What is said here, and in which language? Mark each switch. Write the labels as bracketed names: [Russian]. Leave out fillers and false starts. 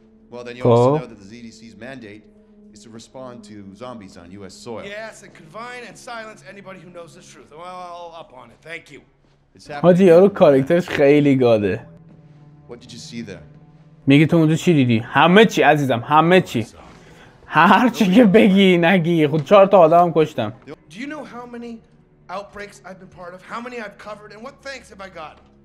[English] Well, then you also know that the ZDC's mandate is to respond to zombies on US soil. Yes, and confine and silence anybody who knows the truth. Well, up on it. Thank you. [Persian] حاجی یارو کاراکترش خیلی گاده. [English] What did you see there? [Persian] میگه تو اونجا چی دیدی؟ همه چی عزیزم همه چی هر چی که بگی نگی خود چهار تا آدم هم کشتم. [English] Do you know how many outbreaks I've been part of? How many I've covered and what thanks have I got?